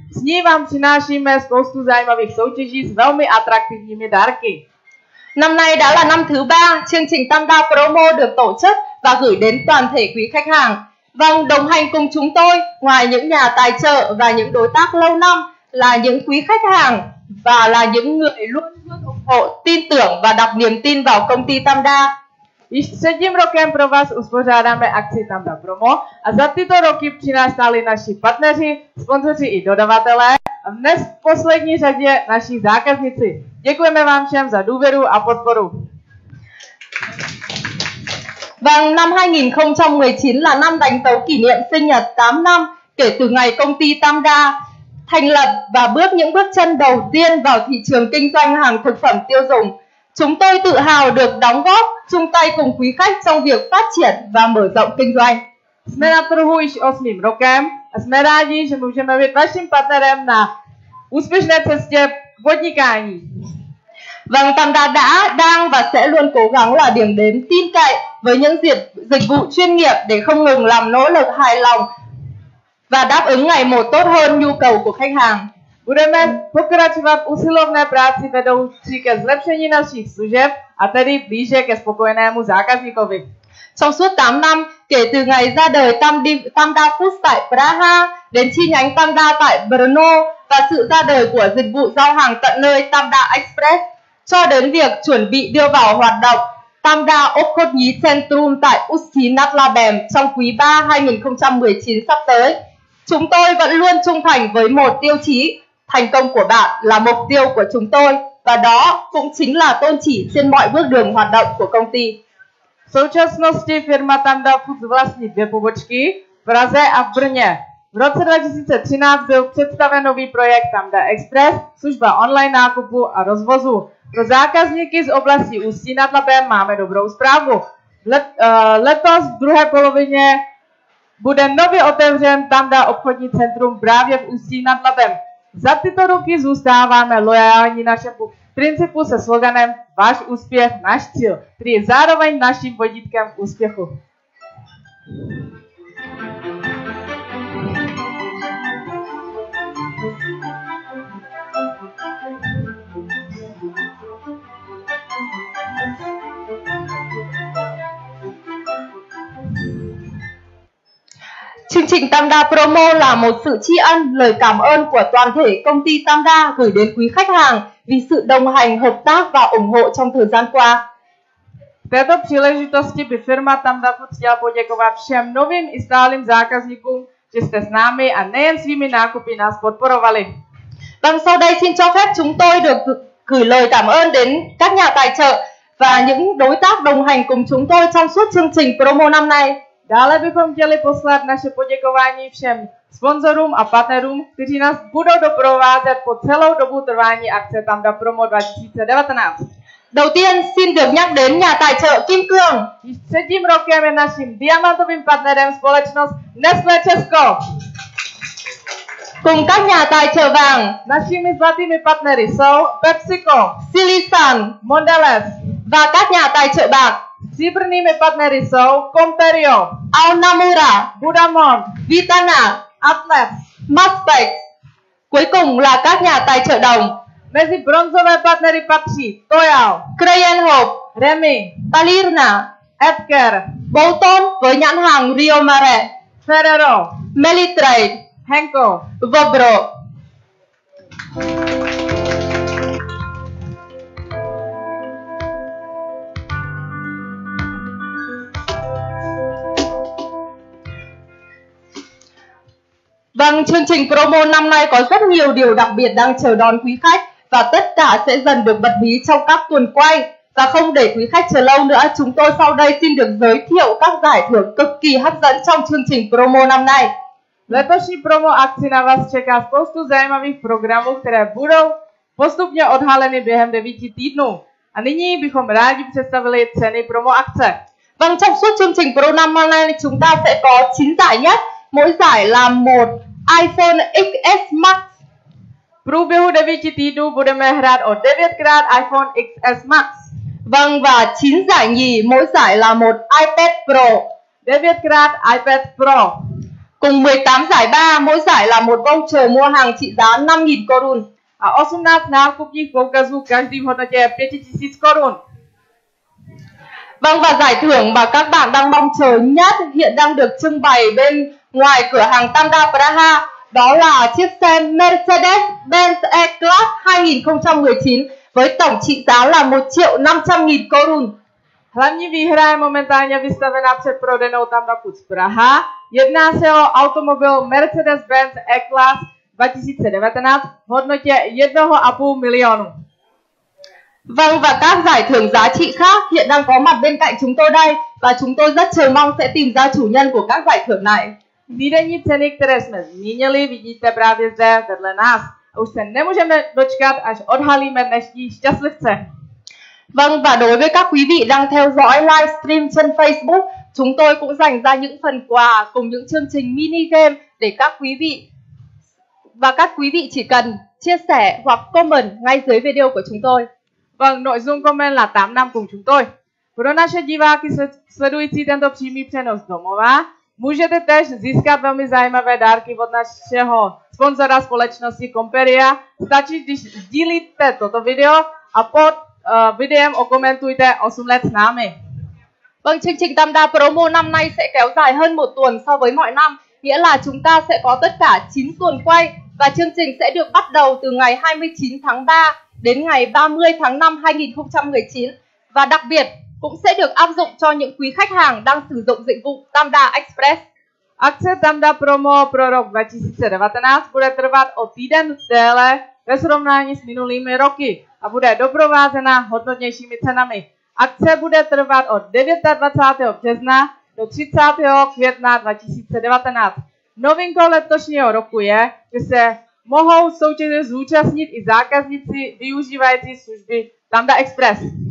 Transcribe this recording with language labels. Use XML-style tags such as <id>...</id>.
<cs>S ní vám přinášíme spoustu zajímavých soutěží s velmi atraktivními dárky.</cs> <vi>Năm nay đã là năm thứ 3 chương trình Tamda Promo được tổ chức và gửi đến toàn thể quý khách hàng. Vâng, đồng hành cùng chúng tôi, ngoài những nhà tài trợ và những đối tác lâu năm, là những quý khách hàng và là những người luôn ủng hộ, tin tưởng và đặt niềm tin vào công ty Tamda.</vi> <cs>Již třetím rokem pro vás uspořádáme akci Tamda Promo a za tyto roky přinášeli naši partneři, sponzoři i dodavatelé a dnes v poslední řadě naši zákazníci. Děkujeme vám všem za důvěru a podporu.</cs> <vi>Vâng, năm 2019 là năm đánh dấu kỷ niệm sinh nhật 8 năm kể từ ngày công ty Tamda thành lập và bước những bước chân đầu tiên vào thị trường kinh doanh hàng thực phẩm tiêu dùng. Chúng tôi tự hào được đóng góp, chung tay cùng quý khách trong việc phát triển và mở rộng kinh doanh.</vi> <cs>Jsme na trhu již 8. rokem a jsme rádi, že můžeme být vaším partnerem na úspěšné cestě podnikání.</cs> <vi>Vâng, Tamda đã, đang và sẽ luôn cố gắng là điểm đến tin cậy với những dịch vụ chuyên nghiệp để không ngừng làm nỗ lực hài lòng và đáp ứng ngày một tốt hơn nhu cầu của khách hàng.</vi> <cs>Budeme pokračovat usilovné práci vedoucí ke zlepšení našich služeb a tedy blíže ke spokojenému zákazníkovi.</cs> <vi>Trong suốt 8 năm, kể từ ngày ra đời Tamda Foods tại Praha, đến chi nhánh Tamda tại Brno và sự ra đời của dịch vụ giao hàng tận nơi Tamda Express, cho đến việc chuẩn bị đưa vào hoạt động Tamda Okotnyi Centrum tại Ustinatlabem trong quý 3 2019 sắp tới. Chúng tôi vẫn luôn trung thành với một tiêu chí, thành công của bạn là mục tiêu của chúng tôi và đó cũng chính là tôn chỉ trên mọi bước đường hoạt động của công ty.</vi> <cs>V současnosti firma Tamda Foods vlastní dvě pobočky v Praze a v Brně. V roce 2013 byl představen nový projekt Tamda Express, služba online nákupu a rozvozu. Pro zákazníky z oblasti Ústí nad Labem máme dobrou zprávu. Letos v druhé polovině bude nově otevřen Tamda obchodní centrum právě v Ústí nad Labem. Za tyto roky zůstáváme lojální našemu principu se sloganem Váš úspěch, náš cíl, který je zároveň naším vodítkem k úspěchu.</cs> <vi>Chương trình Tamda Promo là một sự tri ân, lời cảm ơn của toàn thể công ty Tamda gửi đến quý khách hàng vì sự đồng hành, hợp tác và ủng hộ trong thời gian qua.</vi> <cs>V této příležitosti by firma Tamda Foods chtěla poděkovat všem novým i stálým zákazníkům, že jste s námi a nejen svými nákupy nás podporovali.</cs> <vi>Vâng, sau đây xin cho phép chúng tôi được gửi lời cảm ơn đến các nhà tài trợ và những đối tác đồng hành cùng chúng tôi trong suốt chương trình promo năm nay.</vi> <cs>Dále bychom chtěli poslat naše poděkování všem sponzorům a partnerům, kteří nás budou doprovázet po celou dobu trvání akce Tamda Promo 2019.</cs> <vi>Đầu tiên xin được nhắc đến nhà tài trợ Kim Cương.</vi> <cs>Již třetím rokem je naším diamantovým partnerem společnost Nestlé Česko.</cs> <vi>Cùng các nhà tài trợ vàng.</vi> <cs>Našimi zlatými partnery jsou PepsiCo, Silisan, Mondelez</cs> <vi>và các nhà tài trợ bạc.</vi> <cs>Stříbrnými partnery jsou Comperio, Aonamura, Budamon, Vitana, Atlet, Maspec.</cs> <vi>Cuối cùng là các nhà tài trợ đồng.</vi> <cs>Mezi bronzové partnery patří Toyal, Krajenhop, Remy, Palirna, Edgar,</cs> <vi>Bolton với nhãn hàng Rio Mare, Ferrero, Melitrade, Henko, Vobro.</vi> <en>Thank you.</en> <vi>Vâng, chương trình promo năm nay có rất nhiều điều đặc biệt đang chờ đón quý khách và tất cả sẽ dần được bật mí trong các tuần quay. Và không để quý khách chờ lâu nữa, chúng tôi sau đây xin được giới thiệu các giải thưởng cực kỳ hấp dẫn trong chương trình promo năm nay.</vi> <cs>Letošní promo akci na vás čeká spoustu zajímavých programů, které budou postupně odhaleny během 9 týdnů. A nyní bychom rádi představili ceny promo akce.</cs> <vi>Vâng, trong suốt chương trình Pro năm nay chúng ta sẽ có 9 giải nhất. Mỗi giải là một iPhone XS Max.</vi> <cs>V průběhu 9 týdnů budeme hrát o 9x iPhone XS Max.</cs> <vi>Vâng, và 9 giải nhì, mỗi giải là một iPad Pro.</vi> <cs>9x iPad Pro.</cs> <vi>Cùng 18 giải ba, mỗi giải là một voucher mua hàng trị giá 5.000 korun.</vi> <cs>A 18 nákupních poukazů, každý v hodnotě 5.000 korun.</cs> <vi>Vâng, và giải thưởng mà các bạn đang mong chờ nhất hiện đang được trưng bày bên ngoài cửa hàng Tamda Praha, đó là chiếc xe Mercedes-Benz E-Class 2019 với tổng trị giá là 1.500.000 korun.</vi> <cs>Hlavní výhra je momentálně vystavená před prodejnou Tamda Puc Praha. Jedná se o automobil Mercedes-Benz E-Class 2019 v hodnotě 1,5 milionu.</cs> <vi>Vâng, và các giải thưởng giá trị khác hiện đang có mặt bên cạnh chúng tôi đây và chúng tôi rất chờ mong sẽ tìm ra chủ nhân của các giải thưởng này.</vi> <cs>Výdejní ceny, které jsme zmínili, vidíte právě zde vedle nás. A už se nemůžeme dočkat, až odhalíme dnešní šťastlivce.</cs> <vi>Vâng, và đối với các quý vị đang theo dõi livestream trên Facebook, chúng tôi cũng dành ra những phần quà cùng những chương trình mini game để các quý vị và các quý vị chỉ cần chia sẻ hoặc comment ngay dưới video của chúng tôi. Vâng, nội dung comment là 8 năm cùng chúng tôi.</vi> <cs>Pro naše diváky sledující tento přímý přenos domova, můžete též získat velmi zajímavé dárky od našeho sponzora společnosti Comperia. Stačí, když sdílíte toto video a pod videem okomentujte 8 let s námi.</cs> <vi>Vâng, chương trình Tamda Promo năm nay sẽ kéo dài hơn 1 tuần so với mọi năm, nghĩa là chúng ta sẽ có tất cả 9 tuần quay và chương trình sẽ được bắt đầu từ ngày 29 tháng 3 đến ngày 30 tháng 5 2019 và đặc biệt cũng sẽ được áp dụng cho những quý khách hàng đang sử dụng dịch vụ Tamda Express.</vi> <cs>Akce Tamda Promo pro rok 2019 bude trvat o týden déle ve srovnání s minulými roky a bude doprovázena hodnotnějšími cenami. Akce bude trvat od 29. března do 30. května 2019. Novinkou letošního roku je, že se mohou soutěže zúčastnit i zákazníci využívající služby Tamda Express.</cs>